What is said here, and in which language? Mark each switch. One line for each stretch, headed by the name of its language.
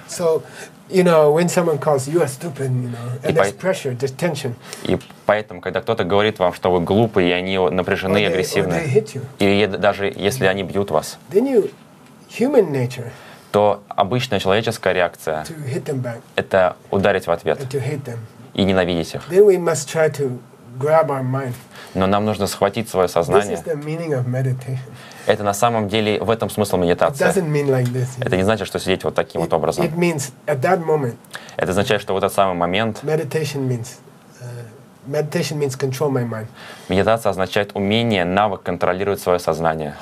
English: So, you know, when someone calls you, are stupid, you know, and there's pressure, there's tension.
Russian: И поэтому, когда кто-то говорит вам, что вы глупые, и они напряжены и агрессивны, или даже если они бьют вас,
English: then you, human nature,
Russian: то обычная человеческая реакция
English: to hit them back,
Russian: это ударить в ответ
English: and to hate them,
Russian: и ненавидеть их.
English: Then we must try to grab our mind.
Russian: Но нам нужно схватить свое сознание.
English: This is the meaning of meditation.
Russian: Это на самом деле в этом смысл медитации.
English: It doesn't mean like this,
Russian: это не значит, что сидеть вот таким вот образом.
English: It means at that moment,
Russian: это означает, что в этот самый момент
English: meditation means control my mind.
Russian: Медитация означает умение, навык контролировать свое сознание.